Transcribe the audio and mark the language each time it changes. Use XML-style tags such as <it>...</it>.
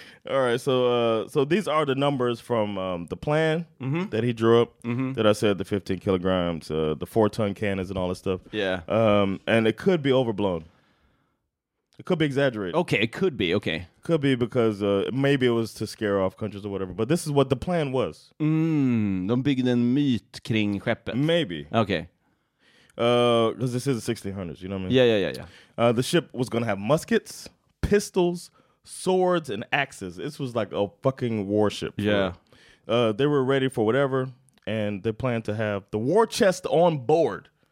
<en>All right, so these are the numbers from the plan that he drew up, that I said, the 15 kilograms, the 4-ton cannons and all this stuff. Yeah. And it could be overblown. It could be exaggerated. Okay, it could be, okay. Could be because maybe it was to scare off countries or whatever, but this is what the plan was.</en> <sv>De byggde en myt kring skeppet.</sv> <en>Maybe. Okay. Because this is the 1600s, you know what I mean? Yeah. The ship was going to have muskets, pistols, swords and axes. This was like a fucking warship. Yeah. Right? They were ready for whatever, and they planned to have the war chest on board.</en>